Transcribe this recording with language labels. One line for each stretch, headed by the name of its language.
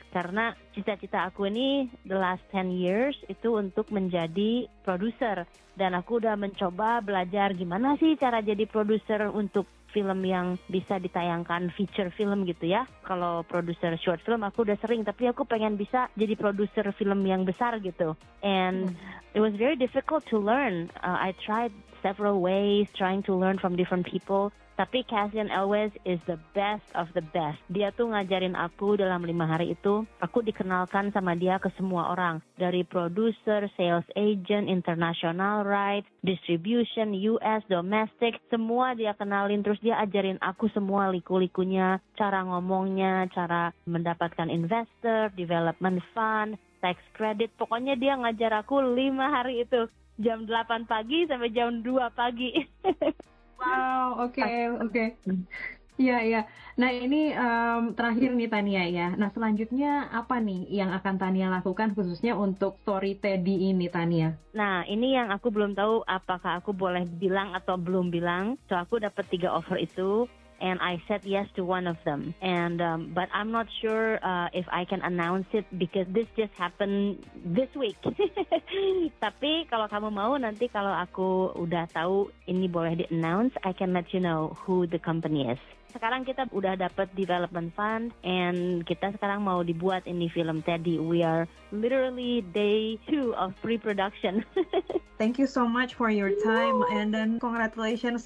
Indonesian: Karena cita-cita aku ini
English: the last 10 years
Indonesian: itu untuk menjadi produser, dan aku udah mencoba belajar gimana sih cara jadi produser untuk film yang bisa ditayangkan feature film gitu ya. Kalau produser short film aku udah sering, tapi aku pengen bisa jadi produser film yang besar gitu.
English: And it was very difficult to learn. I tried several ways trying to learn from different people. Tapi Cassian Eloes is the best of the best.
Indonesian: Dia tuh ngajarin aku dalam 5 hari itu. Aku dikenalkan sama dia ke semua orang. Dari producer, sales agent, international rights, distribution, US, domestic. Semua dia kenalin. Terus dia ajarin aku semua liku-likunya. Cara ngomongnya, cara mendapatkan investor, development fund, tax credit. Pokoknya dia ngajar aku 5 hari itu. Jam 8 pagi sampai jam 2 pagi. Wow, okay. Iya. Nah ini terakhir nih Tania ya. Nah selanjutnya apa nih yang akan Tania lakukan khususnya untuk story Teddy ini Tania? Nah ini yang aku belum tahu apakah aku boleh bilang atau belum bilang. So aku dapat 3 offer itu.
English: And I said yes to one of them. And but I'm not sure if I can announce it because this just happened this week.
Indonesian: Tapi kalau kamu mau nanti kalau aku udah tahu ini boleh di announce,
English: I can let you know who the company is.
Indonesian: Sekarang kita udah dapat development fund and kita sekarang mau dibuat ini film Teddy.
English: We are literally day 2 of pre-production. Thank you so much for your time and then congratulations.